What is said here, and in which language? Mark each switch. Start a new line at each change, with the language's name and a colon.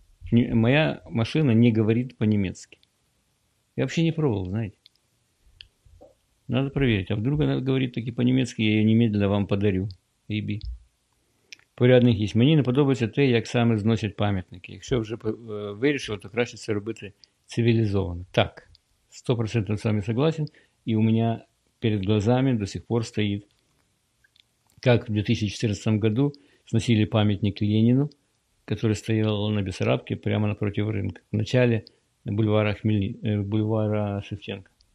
Russian: Моя машина не говорит по-немецки. Я вообще не пробовал, знаете. Надо проверить. А вдруг она говорит таки по-немецки, я ее немедленно вам подарю. Иби. Порядних есть. Мне наподобается те, як сам износить памятники.
Ukrainian: Якщо вже вирішили, то краще це робити цивілізовано.
Russian: Так, 100% с вами согласен. И у меня перед глазами до сих пор стоит, как в 2014 году сносили памятник Ленину, который стоял на Бессарабке прямо напротив рынка, в начале бульвара, бульвара Шевченко.